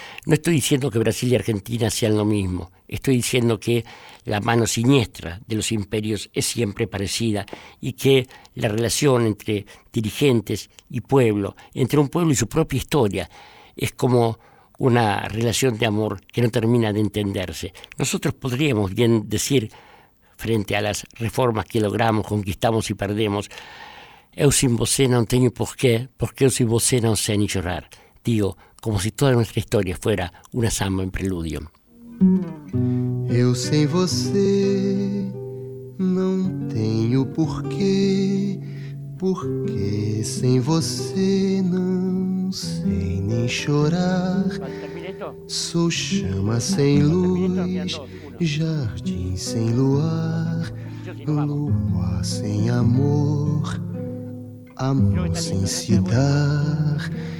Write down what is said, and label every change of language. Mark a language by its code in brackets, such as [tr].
[es] No estoy diciendo que Brasil y Argentina sean lo mismo. Estoy diciendo que la mano siniestra de los imperios es siempre parecida y que la relación entre dirigentes y pueblo, entre un pueblo y su propia historia, es como una relación de amor que no termina de entenderse. Nosotros podríamos bien decir, frente a las reformas que logramos, conquistamos y perdemos, [pt] «Eu sin você não tenho porquê, porque eu sin você não sei ni llorar». [es] Digo, como si toda nuestra historia fuera una samba en preludio. [pt] «Eu sin você não tenho porquê, porque sem você não sei nem chorar. Sou chama sem luz, jardim sem luar, lua sem amor, amor sem se dar.